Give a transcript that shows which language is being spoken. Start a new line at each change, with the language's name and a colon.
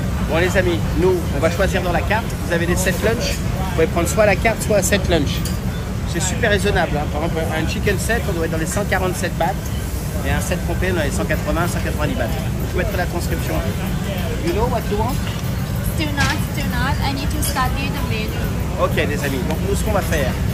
French: Bon les amis, nous, on va choisir dans la carte. Vous avez des 7 lunchs. Vous pouvez prendre soit la carte, soit 7 lunchs. C'est super raisonnable. Hein. Par exemple, un chicken set, on doit être dans les 147 baht. Et un set complet, on est dans les 180, 190 baht. Vous pouvez mettre la transcription.
English: You know what you want? Do not. I need to study the menu.
French: Ok, les amis. Donc, nous, ce qu'on va faire.